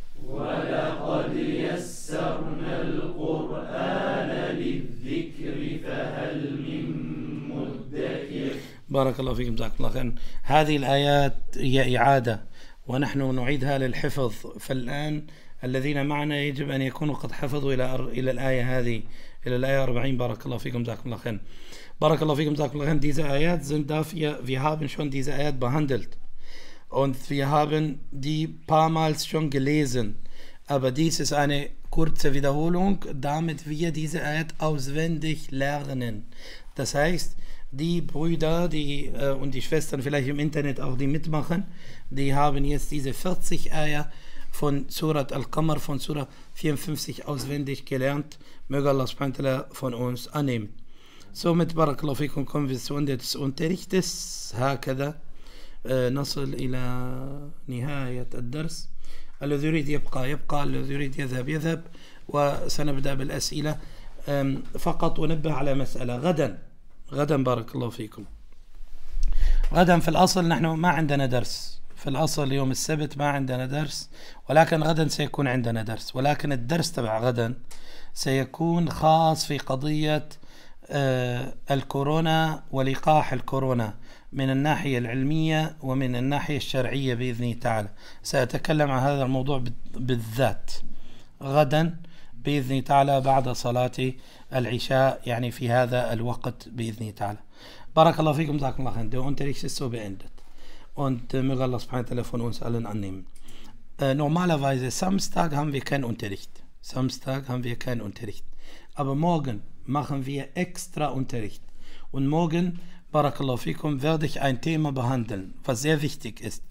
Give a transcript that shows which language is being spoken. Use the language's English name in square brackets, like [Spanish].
[Arabic] ولقد يسرنا القرآن للذكر فهل من مدكر. بارك الله فيكم، جزاكم الله خيرا. هذه الآيات هي إعادة ونحن نعيدها للحفظ. فالآن الذين معنا يجب أن يكونوا قد حفظوا إلى الآية هذه، إلى الآية 40. بارك الله فيكم، جزاكم الله خير. بارك الله فيكم، جزاكم الله خير. [German] Diese آيات sind dafür, wir haben schon diese آيات behandelt und wir haben die paar Mal schon gelesen. Aber dies ist eine kurze Wiederholung, damit wir diese Ayat auswendig lernen. Das heißt, die Brüder und die Schwestern, vielleicht im Internet auch, die mitmachen, die haben jetzt diese 40 Ayat von Surat Al-Qamar, von Surat 54 auswendig gelernt. Möge Allah subhanahu wa ta'ala von uns annehmen. Somit, barakallahu fikum, kommen wir zu Ende des Unterrichtes. [Arabic] Hakada, nasal ila nihayat ad-dars. الذي يريد يبقى يبقى، الذي يريد يذهب يذهب. وسنبدأ بالأسئلة. فقط أنبه على مسألة، غدا غدا بارك الله فيكم، غدا في الأصل نحن ما عندنا درس، في الأصل يوم السبت ما عندنا درس، ولكن غدا سيكون عندنا درس، ولكن الدرس تبع غدا سيكون خاص في قضية الكورونا ولقاح الكورونا من الناحية العلمية ومن الناحية الشرعية بإذن تعالى. سأتكلم عن هذا الموضوع بالذات غدا بإذن تعالى بعد صلاة العشاء، يعني في هذا الوقت بإذن تعالى. بارك الله فيكم، جزاكم الله خير. [German] Der Unterricht ist so beendet und möge Allah subhanahu wa ta'ala von uns allen annehmen. Normalerweise Samstag haben wir keinen Unterricht. Samstag haben wir keinen Unterricht. Aber morgen machen wir extra Unterricht. Und morgen, barakallahu fikum, werde ich ein Thema behandeln, was sehr wichtig ist.